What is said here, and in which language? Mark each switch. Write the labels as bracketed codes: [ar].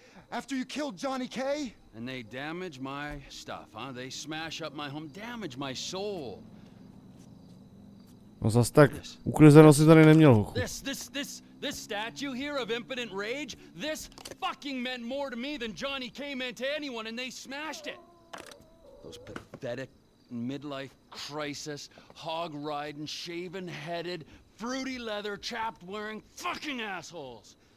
[en] After you killed Johnny K. And they damage my stuff, huh? They smash up my home, damage my soul. [cs] No zas tak uklizeno si tady neměl. [en] This statue here of impotent rage, this fucking meant more to me than Johnny K meant to anyone, and they smashed it. Those pathetic midlife crisis, hog riding, shaven headed. Fruity leather, chapped wearing, fucking assholes.